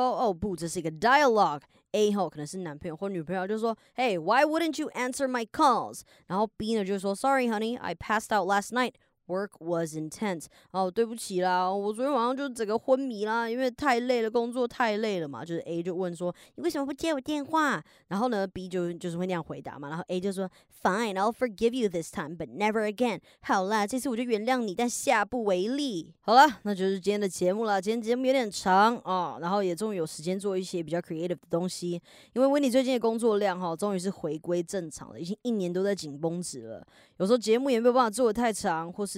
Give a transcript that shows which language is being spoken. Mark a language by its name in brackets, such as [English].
[Chinese] 哦不，这是一个 dialogue。A 可能是男朋友或女朋友，就说 [English] Hey, why wouldn't you answer my calls? [Chinese] 然后 B 呢就说 [English] Sorry honey, I passed out last night, work was intense。 [Chinese] 哦，对不起啦，我昨天晚上就整个昏迷啦，因为太累了，工作太累了嘛。就是 A 就问说你为什么不接我电话，然后呢 B 就是会那样回答嘛。然后 A 就说 [English] Fine, I'll forgive you this time, but never again。 [Chinese] 好啦，这次我就原谅你，但下不为例。好啦，那就是今天的节目啦。今天节目有点长、哦、然后也终于有时间做一些比较 creative 的东西，因为 Winnie 最近的工作量、哦、终于是回归正常了，已经一年都在紧绷着了。有时候节目也没有办法做得太长，或是